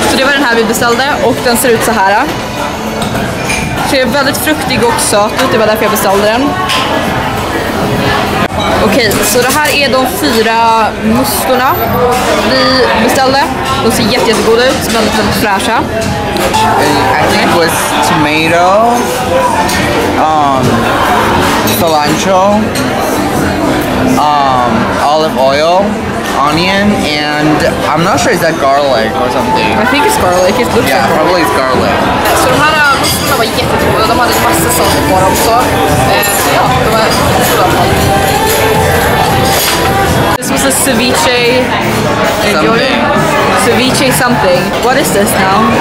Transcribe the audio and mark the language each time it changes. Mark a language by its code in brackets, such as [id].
[sv] Så det var den här vi beställde och den ser ut så här. Så är väldigt fruktig och söt ut, det var därför jag beställde den. Okej, så det här är de fyra mustorna vi beställde. De ser jättegoda ut, väldigt, väldigt fräscha. [en] I think it was tomato, cilantro, olive oil, onion, and I'm not sure, is that garlic or something? I think it's garlic, it looks yeah, like probably it's garlic. [sv] So de här mustorna var jättegoda, de hade massa saker på dem också. Ja, det var jättegoda. [en] This was a ceviche. Something. Ceviche something. What is this now?